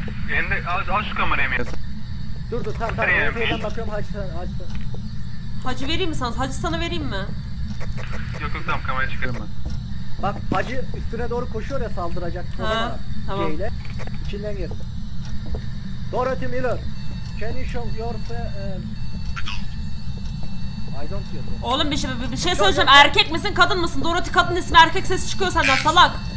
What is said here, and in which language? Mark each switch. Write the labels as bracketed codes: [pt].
[tr] Yende az şu kamerayı mı yazın? Dur tamam. MF'den bakıyorum Hacı. Hacı vereyim mi sana? Hacı sana vereyim mi? Yok tamam, kamerayı çıkarım ben. Bak Hacı üstüne doğru koşuyor ya, saldıracak. Ha tamam. G'yle. İçinden girsin. Dorothy Miller. [en] Can you show yourself? I don't hear you. [tr] Oğlum bir şey söyleyeceğim. Erkek misin kadın mısın? Dorothy kadın ismi, erkek sesi çıkıyor senden salak.